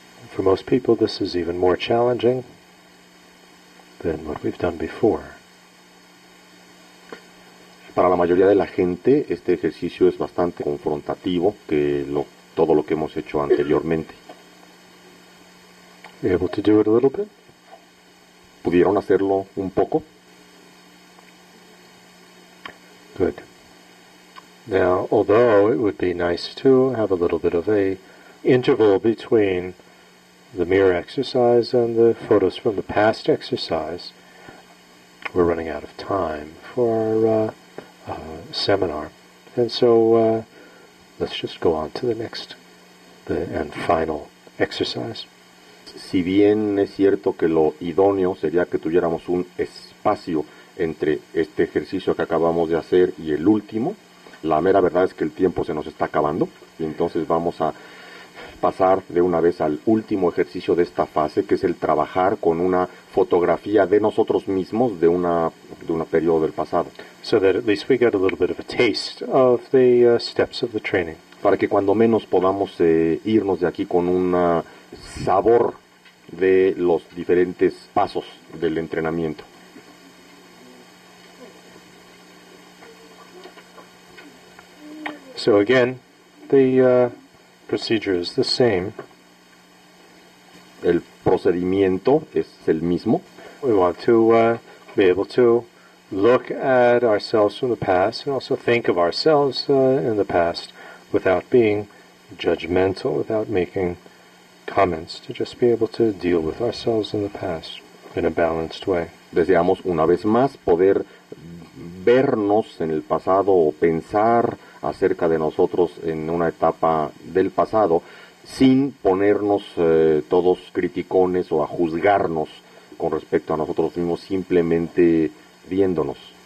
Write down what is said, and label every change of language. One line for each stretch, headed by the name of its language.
English: For most people, this is even more challenging than what we've done before.
Spanish: Para la mayoría de la gente, este ejercicio es bastante confrontativo que todo lo que hemos hecho anteriormente.
English: Able to do it a little bit?
Spanish: ¿Pudieron hacerlo un poco?
English: Good. Now, although it would be nice to have a little bit of a interval between the mirror exercise and the photos from the past exercise, we're running out of time for our seminar. And so let's just go on to the and final exercise.
Spanish: Si bien es cierto que lo idóneo sería que tuviéramos un espacio entre este ejercicio que acabamos de hacer y el último, la mera verdad es que el tiempo se nos está acabando, y entonces vamos a pasar de una vez al último ejercicio de esta fase, que es el trabajar con una fotografía de nosotros mismos de un periodo del pasado.
English: So that at least we get a little bit of a taste of the steps of the training.
Spanish: Para que cuando menos podamos irnos de aquí con un sabor de los diferentes pasos del entrenamiento.
English: So again, the procedure is the same.
Spanish: El procedimiento es el mismo.
English: We want to be able to look at ourselves from the past and also think of ourselves in the past without being judgmental, without making comments, to just be able to deal with ourselves in the past in a balanced way.
Spanish: Deseamos una vez más poder vernos en el pasado o pensar acerca de nosotros en una etapa del pasado sin ponernos todos criticones o a juzgarnos con respecto a nosotros mismos, simplemente viéndonos.